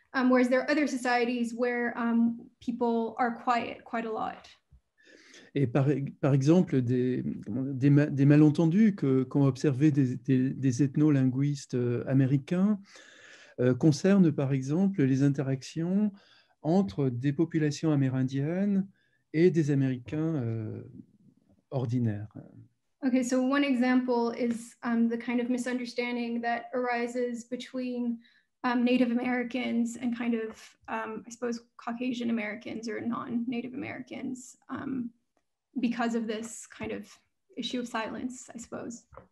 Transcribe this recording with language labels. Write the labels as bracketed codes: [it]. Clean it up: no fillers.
[en] Whereas there are other societies where people are quiet quite a lot. [fr] Et par exemple, des malentendus qu'ont observé des ethnolinguistes américains concernent par exemple les interactions entre des populations amérindiennes et des Américains ordinaires. [en] Okay, so one example is the kind of misunderstanding that arises between Native Americans and kind of, I suppose, Caucasian Americans or non-Native Americans because of this kind of issue of silence, I suppose.